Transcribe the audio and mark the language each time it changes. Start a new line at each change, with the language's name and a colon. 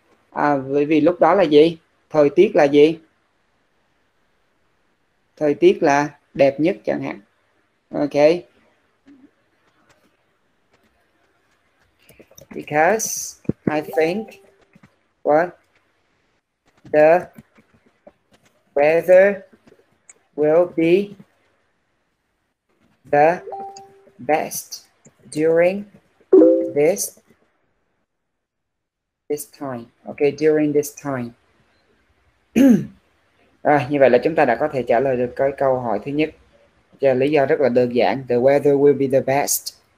Vietnamese: À, bởi vì lúc đó là gì? Thời tiết là gì? Thời tiết là đẹp nhất chẳng hạn. Ok.
English: Because I think what the weather will be the best during this time.
Vietnamese: Ok,
English: during this time.
Vietnamese: À, như vậy là chúng ta đã có thể trả lời được cái câu hỏi thứ nhất. Và lý do rất là đơn giản,
English: the weather will be the best.